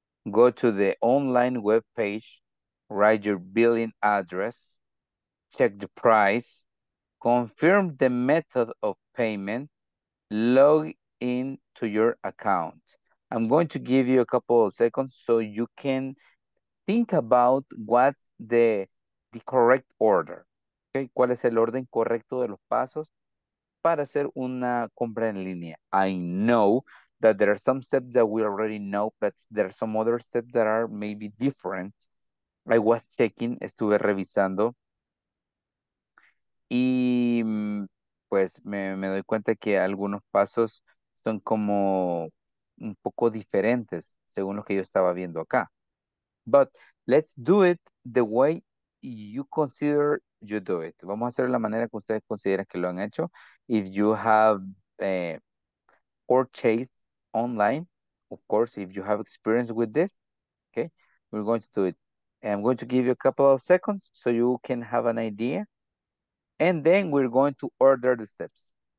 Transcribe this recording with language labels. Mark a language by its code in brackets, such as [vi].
[en] Go to the online web page, write your billing address, check the price, confirm the method of payment, log in to your account. I'm going to give you a couple of seconds so you can think about what the correct order. [es] Okay, ¿cuál es el orden correcto de los pasos para hacer una compra en línea? [en] I know that there are some steps that we already know, but there are some other steps that are maybe different. I was checking, [es] estuve revisando, y pues me doy cuenta que algunos pasos son como un poco diferentes según lo que yo estaba viendo acá. [en] But let's do it the way you consider you do it. [es] Vamos a hacer la manera que ustedes consideran que lo han hecho. [en] If you have purchased online, of course, if you have experience with this, okay, we're going to do it. I'm going to give you a couple of seconds so you can have an idea. And then we're going to order the steps.